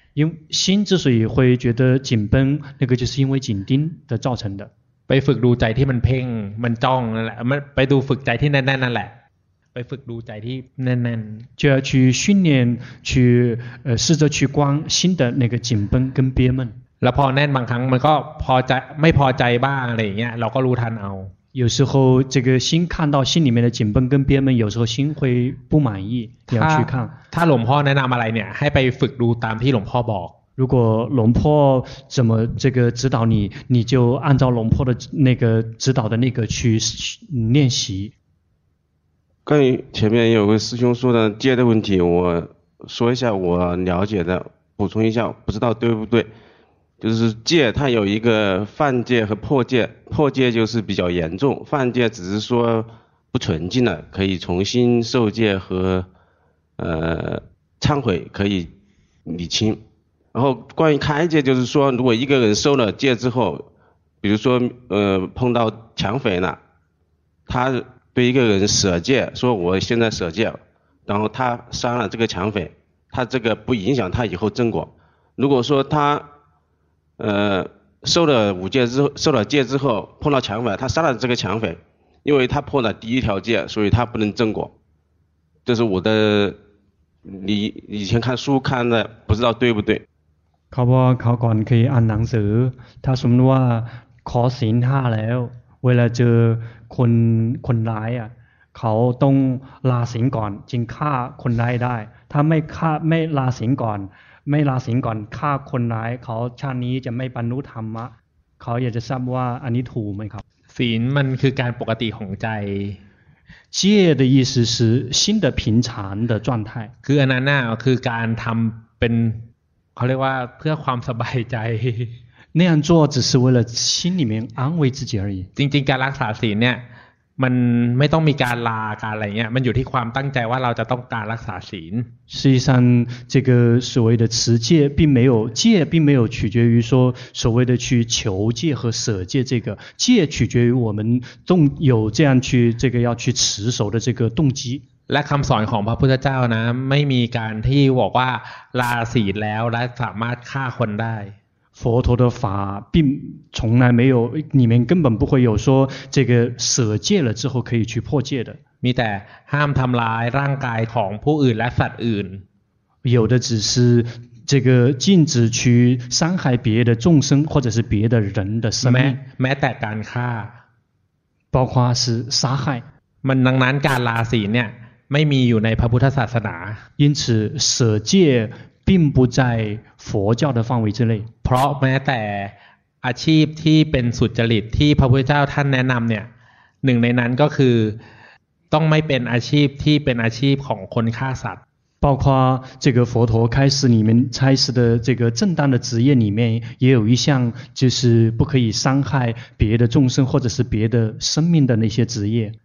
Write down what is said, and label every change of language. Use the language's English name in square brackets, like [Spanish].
[Chinese] 因心之所以会觉得紧绷，那个就是因为紧盯的造成的。 [Thai] ไปฝึกดูใจที่มันเพ่งมันจ้องนั่นแหละมันไปดูฝึกใจที่แน่นๆนั่นแหละไปฝึกดูใจที่แน่น [Chinese] ๆ就要去训练去试着去观心的那个紧绷跟憋闷。 [Thai] แล้วพอแน่นบางครั้งมันก็พอใจไม่พอใจบ้างอะไรอย่างเงี้ยเราก็รู้ทันเอา [Chinese] 有时候这个心看到心里面的紧绷跟憋闷，有时候心会不满意，也要去看。 [Thai] 他หลวงพ่อแนะนำอะไรเนี่ยให้ไปฝึกดูตามที่หลวงพ่อบอก。 [Chinese] 如果หลวงพ่อ怎么这个指导你，你就按照หลวงพ่อ的那个指导的那个去练习。关于前面有个师兄说的戒的问题，我说一下我了解的，补充一下，不知道对不对。就是戒它有一个犯戒和破戒破戒就是比较严重犯戒只是说不纯净了可以重新受戒和忏悔可以理清然后关于开戒就是说如果一个人受了戒之后比如说碰到抢匪了他对一个人舍戒说我现在舍戒然后他杀了这个抢匪他这个不影响他以后正果如果说他受了五戒之后，受了戒之后碰到抢匪，他杀了这个抢匪，因为他破了第一条戒，所以他不能正果。这是我的，你以前看书看的，不知道对不对？ [Thai] ครับว่าเขาก่อนเคยอ่านหนังสือถ้าสมมติว่าขอศีลห้าแล้วเวลาเจอคนร้ายอ่ะเขาต้องลาศีลก่อนจึงฆ่าคนร้ายได้ถ้าไม่ฆ่าไม่ลาศีลก่อนไม่ลาศีลก่อนฆ่าคนร้ายเขาชาตินี้จะไม่บรรลุธรรมะเขาอยากจะทราบว่าอันนี้ถูกไหมครับ ศีลมันคือการปกติของใจ [Chinese] 戒的意思是心的平常的状态 [Thai] คืออันนั้นคือการทำเป็นเขาเรียกว่าเพื่อความสบายใจ [Chinese] 那样做只是为了心里面安慰自己而已 [Thai] จริงๆการรักษาศีลเนี่ยมันไม่ต้องมีการลาการอะไรเงี้ยมันอยู่ที่ความตั้งใจว่าเราจะต้องการรักษาศีล [Chinese] 事实上这个所谓的持戒并没有戒并没有取决于说所谓的去求戒和舍戒这个戒取决于我们动有这样去这个要去持守的这个动机 [Thai] และคำสอนของพระพุทธเจ้านะไม่มีการที่บอกว่าลาศีลแล้วและสามารถฆ่าคนได้ [Chinese] 佛陀的法并从来没有里面根本不会有说这个舍戒了之后可以去破戒的 [Thai] มีแต่ห้ามทำลายร่างกายของผู้อื่นและสัตว์อื่น [Chinese] 有的只是这个禁止去伤害别的众生或者是别的人的生命 [Thai] แม้แต่การฆ่า [Chinese] 包括是杀害 [Thai] มันดังนั้นการลาศีลเนี่ยไม่มีอยู่ในพระพุทธศาสนา [Chinese] 因此舍戒并不在佛教的范围之内 [Thai] เพราะแม้แต่อาชีพที่เป็นสุจริตที่พระพุทธเจ้าท่านแนะนำเนี่ยหนึ่งในนั้นก็คือต้องไม่เป็นอาชีพที่เป็นอาชีพของคนฆ่าสัตว์ [Chinese] 包括这个佛陀开始里面开始的这个正当的职业里面也有一项就是不可以伤害别的众生或者是别的生命的那些职业